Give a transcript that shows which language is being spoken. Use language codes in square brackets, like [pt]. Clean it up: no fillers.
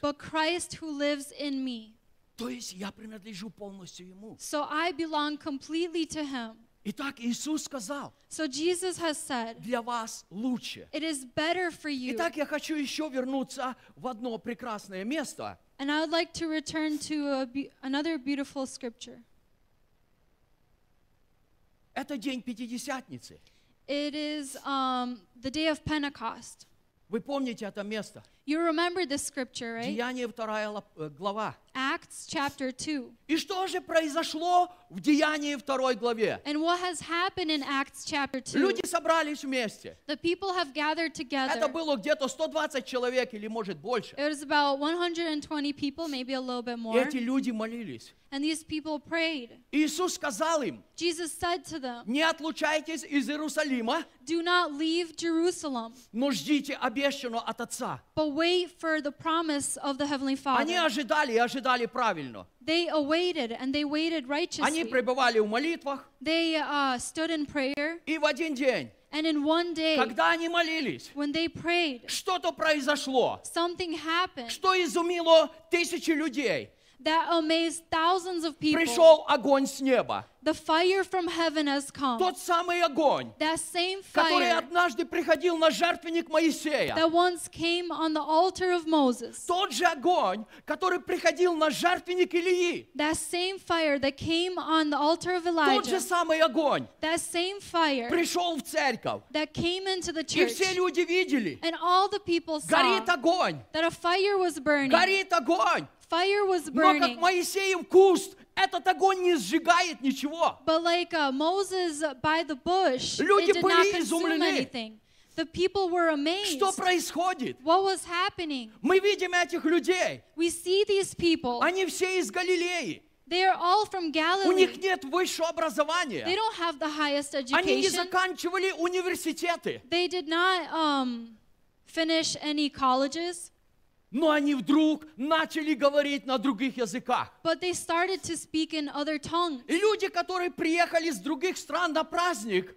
[en] But Christ who lives in me. [ru] То есть я принадлежу полностью Ему. [en] So I belong completely to Him. [ru] Итак, Иисус сказал. [en] So Jesus has said. [ru] Для вас лучше. [en] It is better for you. [ru] Итак, я хочу еще вернуться в одно прекрасное место. [en] And I would like to return to another beautiful scripture. [ru] Это день Пятидесятницы. [en] It is the day of Pentecost. [ru] Вы помните это место? [en] You remember this scripture, right? [ru] Деяния 2 глава. [en] Acts chapter 2. [ru] И что же произошло в Деянии 2 главе? [en] And what has happened in Acts chapter 2? [ru] Люди собрались вместе. [en] The people have gathered together. [ru] Это было где-то 120 человек или может больше. [en] It was about 120 people, maybe a little bit more. [ru] И эти люди молились. [en] And these people prayed. [ru] Иисус сказал им, [en] Jesus said to them, [ru] не отлучайтесь из Иерусалима, [en] do not leave Jerusalem, [ru] но ждите обещанного от Отца. [en] But wait for the promise of the Heavenly Father. [ru] Они ожидали и ожидали правильно. [en] They awaited and they waited righteously. [ru] Они пребывали в молитвах. [en] They stood in prayer. [ru] И в один день, [en] and in one day, [ru] когда они молились, [en] when they prayed, [ru] что-то произошло, [en] something happened, [ru] что изумило тысячи людей. [en] That amazed thousands of people. [ru] Пришел огонь с неба. [en] The fire from heaven has come. [ru] Тот самый огонь, [en] that same fire, [ru] который однажды приходил на жертвенник Моисея. [en] That once came on the altar of Moses. [ru] Тот же огонь, который приходил на жертвенник Илии. [en] That same fire that came on the altar of Elijah. [ru] Тот же самый огонь, [en] that same fire, [ru] пришел в церковь. [en] That came into the church. [ru] И все люди видели. [en] And all the people saw. [ru] Горит огонь. [en] That a fire was burning. [ru] Горит огонь. [en] Fire was burning. [ru] Но как Моисеем куст, этот огонь не сжигает ничего. [en] But like Moses by the bush, [ru] люди [en] it did [ru] были [en] not consume [ru] изумлены. [en] Anything. The people were amazed. [ru] Что происходит? [en] What was happening? [ru] Мы видим этих людей. [en] We see these people. [ru] Они все из Галилеи. [en] They are all from Galilee. [ru] У них нет высшего образования. [en] They don't have the highest education. [ru] Они не заканчивали университеты. [en] They did not finish any colleges. [ru] Но они вдруг начали говорить на других языках. [en] But they started to speak in other tongues. [ru] И люди, которые приехали с других стран на праздник,